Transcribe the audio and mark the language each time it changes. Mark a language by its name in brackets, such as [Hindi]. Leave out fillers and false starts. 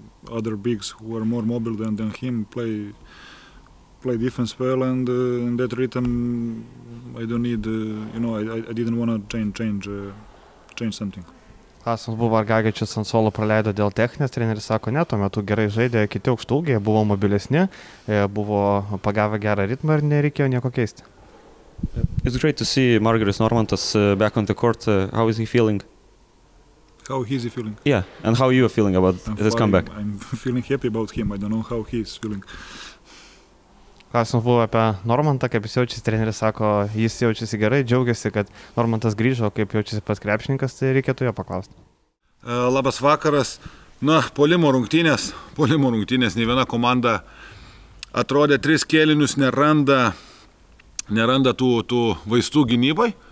[English] Other bigs who are more mobile than him play defense well, and in that rhythm, I don't need. I didn't want to change something. [Lithuanian] Klausimas buvo, ar Gagičius ant suolo praleido dėl techninės. Treneris sako, ne, tuo metu gerai žaidė kiti aukštaūgiai, buvo mobilesni, buvo pagavę gerą ritmą ir nereikėjo nieko keisti. [English] It's great to see Margaris Normantas back on the court. How is he feeling? How he's feeling? Yeah, and how you are feeling about this comeback? I'm feeling happy about him. I don't know how he's feeling. [Lithuanian] Klausimas buvo apie Normantą, kaip jis jaučiasi. Treneris sako, jis jaučiasi gerai, džiaugiasi, kad Normantas grįžo, kaip jaučiasi pas krepšininkas, tai reikėtų jo paklausti. Labas vakaras. Na, polimo rungtynės, ne viena komanda atrodė tris kėlinius, neranda tų vaistų gynybai.